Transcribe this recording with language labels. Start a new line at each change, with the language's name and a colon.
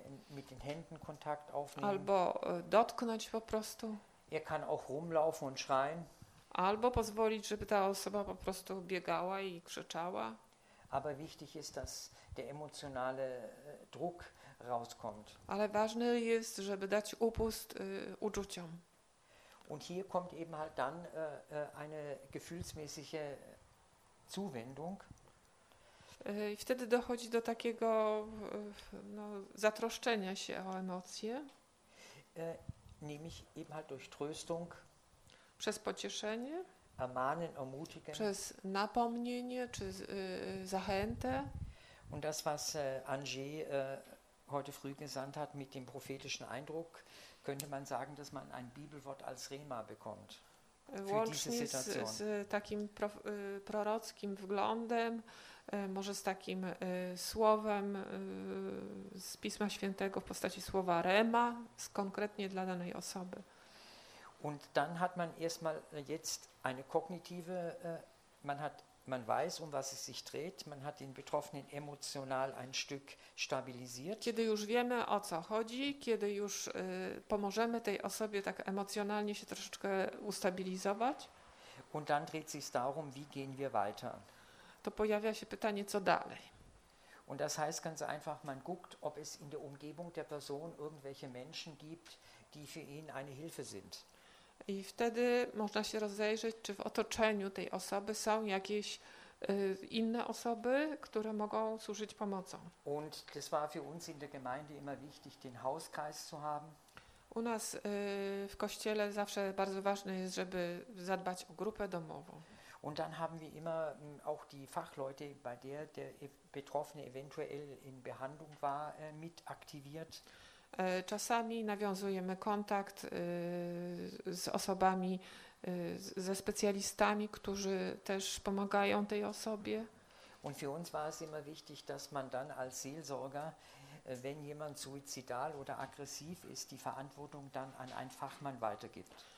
German: mit den Händen Kontakt aufnehmen.
Polish: Albo dotknąć po prostu.
German: Er kann auch rumlaufen und schreien.
Polish: Albo pozwolić, żeby ta osoba po prostu biegała i krzyczała.
German: Aber wichtig ist, dass der emotionale Druck rauskommt.
Polish: Ale ważne jest, żeby dać upust uczuciom.
German: Und hier kommt eben halt dann eine gefühlsmäßige Zuwendung.
Polish: I wtedy dochodzi do takiego no, zatroszczenia się o emocje.
German: Nämlich eben halt durch Tröstung.
Polish: Przez pocieszenie.
German: Ermahnen, ermutigen.
Polish: Przez napomnienie czy zachętę.
German: Und das, was Angie heute früh gesandt hat mit dem prophetischen Eindruck, könnte man sagen, dass man ein Bibelwort als Rema bekommt.
Polish: Łącznie z takim prorockim wglądem, może z takim słowem z Pisma Świętego w postaci słowa Rema, konkretnie dla danej osoby.
German: Und dann hat man erstmal jetzt eine kognitive, man weiß, was es sich dreht, man hat den Betroffenen emotional ein Stück stabilisiert.
Polish: Kiedy już wiemy, o co chodzi, kiedy już pomożemy tej osobie tak emocjonalnie się troszeczkę ustabilizować.
German: Und dann dreht sich darum, wie gehen wir weiter.
Polish: To pojawia się pytanie, co dalej.
German: Und das heißt ganz einfach, man guckt, ob es in der Umgebung der Person irgendwelche Menschen gibt, die für ihn eine Hilfe sind.
Polish: I wtedy można się rozejrzeć, czy w otoczeniu tej osoby są jakieś inne osoby, które mogą służyć pomocą.
German: Und das war für uns in der Gemeinde immer wichtig, den Hauskreis zu haben.
Polish: U nas w kościele zawsze bardzo ważne jest, żeby zadbać o grupę domową.
German: Und dann haben wir immer auch die Fachleute, bei der der Betroffene eventuell in Behandlung war, mit aktiviert.
Polish: Czasami nawiązujemy kontakt z osobami, ze specjalistami, którzy też pomagają tej osobie.
German: Und für uns war es immer wichtig, dass man dann als Seelsorger, wenn jemand suizidal oder aggressiv ist, die Verantwortung dann an einen Fachmann weitergibt.